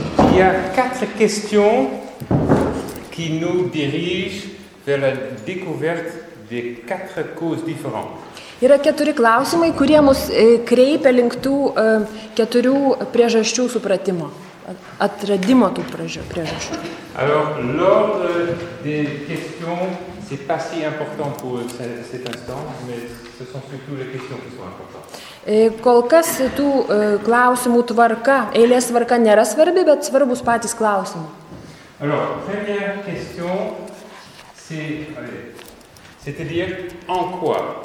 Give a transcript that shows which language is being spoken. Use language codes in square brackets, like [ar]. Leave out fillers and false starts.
[fr] Il y a quatre questions qui nous dirigent vers la découverte des quatre causes différentes. [lt] Yra keturi klausimai, kurie mus kreipia link tų keturių priežasčių supratimo, atradimo tų priežasčių. [fr] Alors, l'ordre des questions, c'est pas si important pour cet instant, mais ce sont surtout les questions qui sont importantes. [lt] Kol kas tų klausimų tvarka, eilės tvarka nėra svarbi, bet svarbus patys klausimai. [fr] Alors, première question, c'est-à-dire en quoi?